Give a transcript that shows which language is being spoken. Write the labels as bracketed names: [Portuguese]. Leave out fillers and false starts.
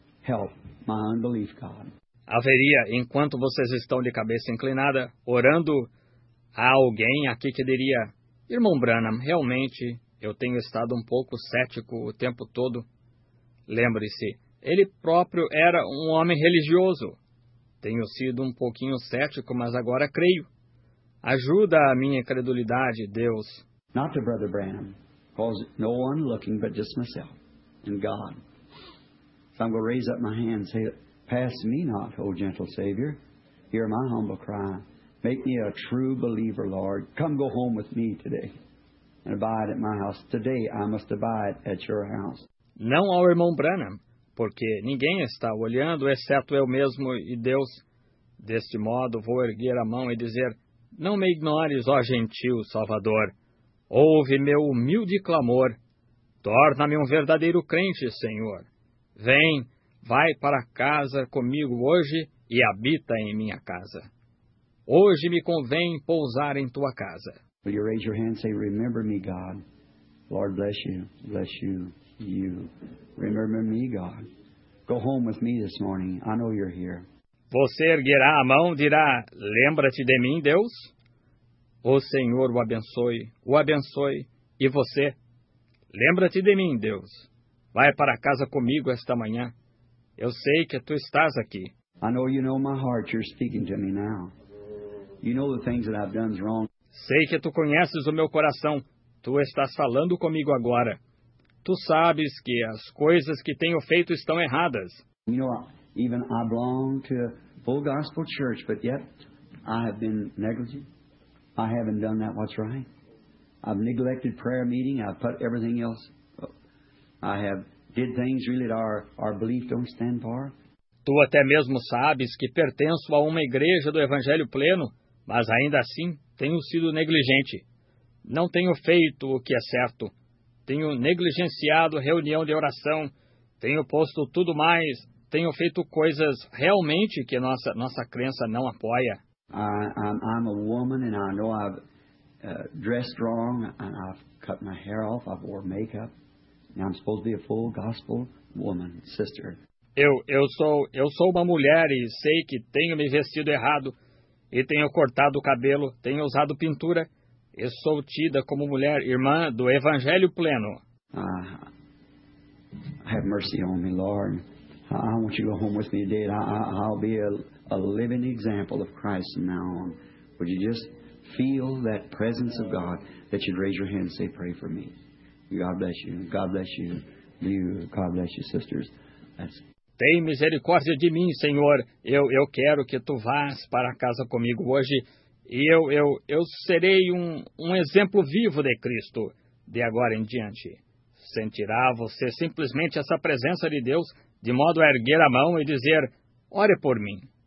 [English] Help my unbelief, God. [Portuguese] Haveria, enquanto vocês estão de cabeça inclinada, orando, há alguém aqui que diria, Irmão Branham, realmente, eu tenho estado um pouco cético o tempo todo. Lembre-se, ele próprio era um homem religioso. Tenho sido um pouquinho cético, mas agora creio. Ajuda a minha incredulidade, Deus. [English] Not to Brother Branham, because no one looking but just myself and God. So I'm going to raise up my hand and say, pass me not, O gentle Savior. Hear my humble cry. Make me a true believer, Lord. Come go home with me today and abide at my house. Today I must abide at your house. [Portuguese] Não ao irmão Branham, porque ninguém está olhando, exceto eu mesmo e Deus. Deste modo, vou erguer a mão e dizer, não me ignores, ó gentil Salvador. Ouve meu humilde clamor. Torna-me um verdadeiro crente, Senhor. Vem, vai para casa comigo hoje e habita em minha casa. Hoje me convém pousar em tua casa. [English] Will you raise your hand and say, remember me, God. Lord, bless you. Bless you. You. Remember me, God. Go home with me this morning. I know you're here. [Portuguese] Você erguerá a mão e dirá, lembra-te de mim, Deus? O Senhor o abençoe, e você? Lembra-te de mim, Deus. Vai para casa comigo esta manhã. Eu sei que tu estás aqui. [English] I know you know my heart. You're speaking to me now. You know the things that I've done wrong. [Portuguese] Sei que tu conheces o meu coração. Tu estás falando comigo agora. Tu sabes que as coisas que tenho feito estão erradas. [English] You know, even I belong to a full gospel church, but yet I have been negligent. I haven't done that what's right. I've neglected prayer meeting. I've put everything else. I have did things really that our belief don't stand for. [Portuguese] Tu até mesmo sabes que pertenço a uma igreja do Evangelho Pleno, mas ainda assim tenho sido negligente. Não tenho feito o que é certo. Tenho negligenciado reunião de oração. Tenho posto tudo mais. Tenho feito coisas realmente que nossa crença não apoia. [English] I'm a woman and I know I've dressed wrong and I've cut my hair off. I've wore makeup. And I'm supposed to be a full gospel woman, sister. [Portuguese] Eu sou uma mulher e sei que tenho me vestido errado e tenho cortado o cabelo, tenho usado pintura. Eu sou tida como mulher, irmã do Evangelho Pleno. [English] Have mercy on me, Lord. I want you to go home with me today. I'll be a living example of Christ from now on. Would you just feel that presence of God that you'd raise your hand and say, pray for me. God bless you. God bless you. You. God bless you, sisters. That's... [Portuguese] Tem misericórdia de mim, Senhor. Eu quero que tu vás para casa comigo hoje. E eu serei um exemplo vivo de Cristo, de agora em diante. Sentirá você simplesmente essa presença de Deus, de modo a erguer a mão e dizer, ore por mim.